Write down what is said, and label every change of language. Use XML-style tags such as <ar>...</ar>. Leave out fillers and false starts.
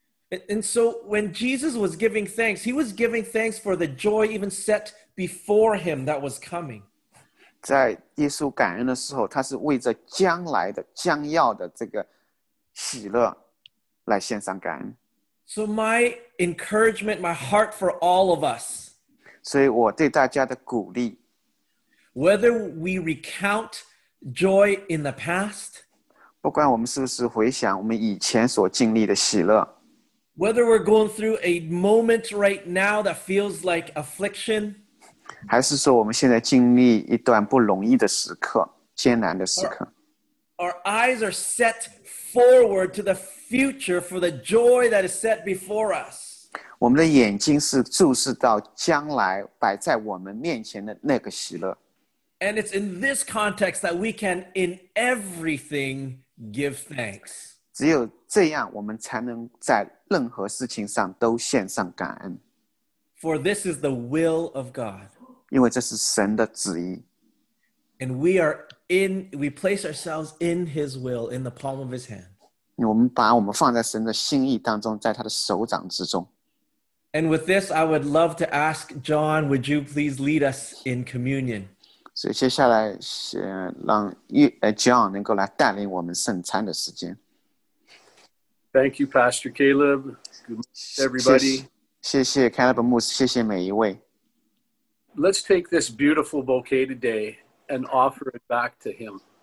<en>And so when Jesus was giving thanks, he was giving thanks for the joy even set before him that was coming.</en> <zh>在耶稣感恩的时候, 他是为着将来的将要的这个喜乐来献上感恩。</zh> <en>So my encouragement, my heart for all of us,</en> <zh>所以我对大家的鼓励,</zh> <en>whether we recount joy in the past,</en> <zh>不管我们是不是回想我们以前所经历的喜乐,</zh> <en>whether we're going through a moment right now that feels like affliction,</en> <zh>还是说我们现在经历一段不容易的时刻，艰难的时刻。</zh> <en>Our eyes are set forward to the future for the joy that is set before us.</en> <zh>我们的眼睛是注视到将来摆在我们面前的那个喜乐。</zh> <en>And it's in this context that we can, in everything, give thanks.</en> <zh>只有这样，我们才能在任何事情上都献上感恩。</zh> <en>For this is the will of God.</en> <zh>因为这是神的旨意。</zh> <en>And we are in, we place ourselves in His will, in the palm of His hand.</en> <zh>我们把我们放在神的心意当中，在他的手掌之中。</zh> <en>And with this, I would love to ask John, would you please lead us in communion?</en> <zh>所以接下来是让John 能够来带领我们圣餐的时间。</zh> <en>Thank you, Pastor Caleb. Good everybody.</en> <zh>谢谢 Caleb 牧师，谢谢每一位。</zh> <en>Let's take this beautiful bouquet today. And offer it back to him.</en>